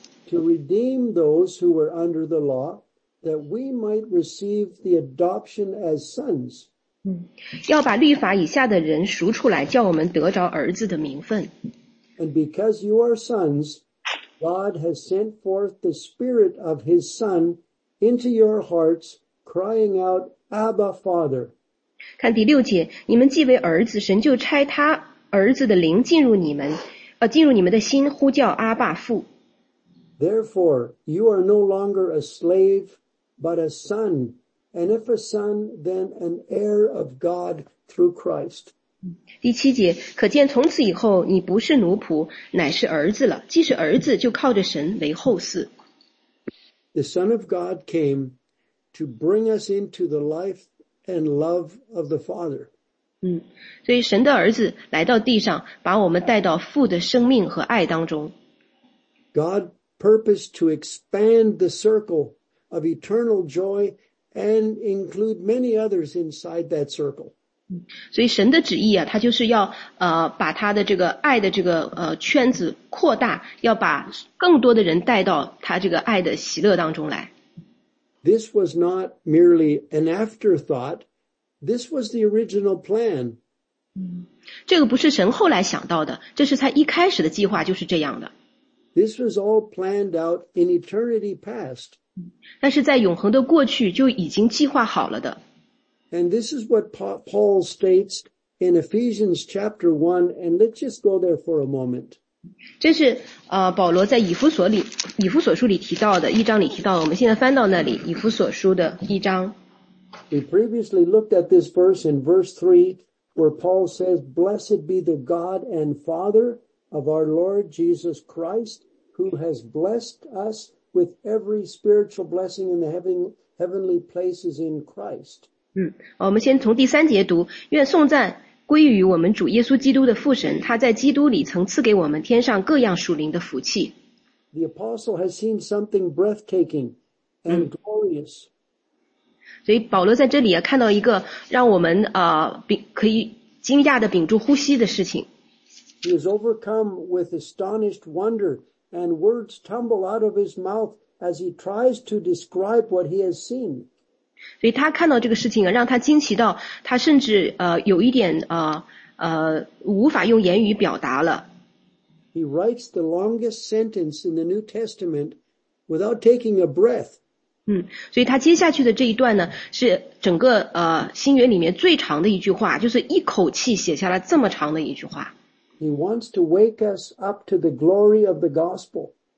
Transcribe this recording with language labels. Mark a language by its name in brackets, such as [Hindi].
[English] To redeem those who were under the law, that we might receive the adoption as sons. [Chinese] 要把律法以下的人赎出来，叫我们得着儿子的名分。 [English] And because you are sons, God has sent forth the Spirit of His Son into your hearts, crying out, Abba, Father. [Chinese] 看第六节，你们既为儿子，神就差他儿子的灵进入你们，进入你们的心，呼叫阿爸父。 [English] Therefore, you are no longer a slave, but a son. And if a son, then an heir of God through Christ. [Chinese] 第七节，可见从此以后，你不是奴仆，乃是儿子了。既是儿子，就靠着神为后嗣。 [English] The Son of God came to bring us into the life and love of the Father. [Chinese] 所以神的儿子来到地上，把我们带到父的生命和爱当中。 [English] God purposed to expand the circle of eternal joy and include many others inside that circle. [Chinese] 所以神的旨意啊，他就是要把他的这个爱的这个圈子扩大，要把更多的人带到他这个爱的喜乐当中来。 [English] This was not merely an afterthought. This was the original plan. [Chinese] 这个不是神后来想到的，这是他一开始的计划就是这样的。 [English] This was all planned out in eternity past. [Chinese] 但是在永恒的过去就已经计划好了的。 [English] And this is what Paul states in Ephesians chapter 1, and let's just go there for a moment. [Chinese] 这是保罗在以弗所书里提到的，一章里提到的，我们现在翻到那里，以弗所书的一章。 [English] We previously looked at this verse in verse 3, where Paul says, Blessed be the God and Father of our Lord Jesus Christ, who has blessed us with every spiritual blessing in the heavenly places in Christ. [Chinese] 我们先从第三节读，愿颂赞归于我们主耶稣基督的父神，他在基督里曾赐给我们天上各样属灵的福气。 [English] The apostle has seen something breathtaking and glorious. [Chinese] 所以保罗在这里啊，看到一个让我们可以惊讶的屏住呼吸的事情。 [English] He is overcome with astonished wonder, and words tumble out of his mouth as he tries to describe what he has seen. [Chinese] 所以他看到这个事情啊，让他惊奇到他甚至有一点无法用言语表达了。 [English] He writes the longest sentence in the New Testament without taking a breath. [Chinese] 所以他接下去的这一段呢，是整个新约里面最长的一句话，就是一口气写下了这么长的一句话。 [English] He wants to wake us up to the glory of the gospel.